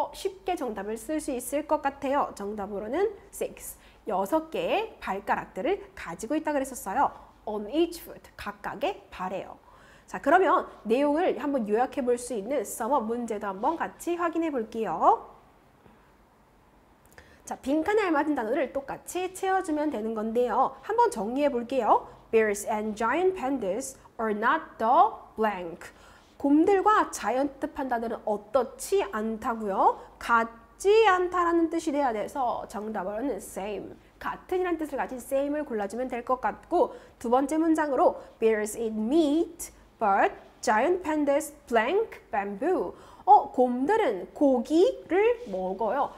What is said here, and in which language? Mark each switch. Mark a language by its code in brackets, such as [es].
[ko] 쉽게 정답을 쓸 수 있을 것 같아요. 정답으로는 six, 6개의 발가락들을 가지고 있다 그랬었어요. [en] On each foot, [ko] 각각의 발에요. 자, 그러면 내용을 한번 요약해 볼 수 있는 summer 문제도 한번 같이 확인해 볼게요. 자, 빈칸에 알맞은 단어를 똑같이 채워주면 되는 건데요. 한번 정리해 볼게요. [en] Bears and giant pandas are not the blank. [ko] 곰들과 자이언트 판다들은 어떻지 않다고요? 같지 않다라는 뜻이 돼야 돼서 정답은 same. 같은이란 뜻을 가진 same을 골라주면 될 것 같고 두 번째 문장으로 [en] bears eat meat. But giant pandas blank bamboo. [ko] 곰들은 고기를 먹어요.